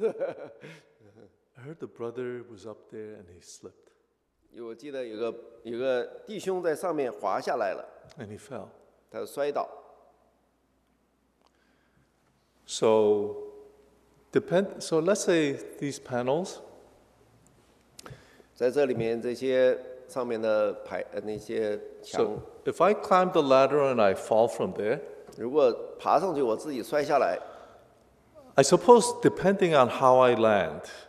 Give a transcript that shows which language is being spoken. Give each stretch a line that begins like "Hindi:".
English: I heard the brother was up there and he slipped.
Chinese: 我记得有个弟兄在上面滑下来了。
English: And he fell.
Chinese: 他摔倒。
English: So, let's say these panels.
Chinese: 在这里面这些上面的排那些墙。
English: So if I climb the ladder and I fall from there.
Chinese: 如果爬上去我自己摔下来。
English: I suppose depending on how I land.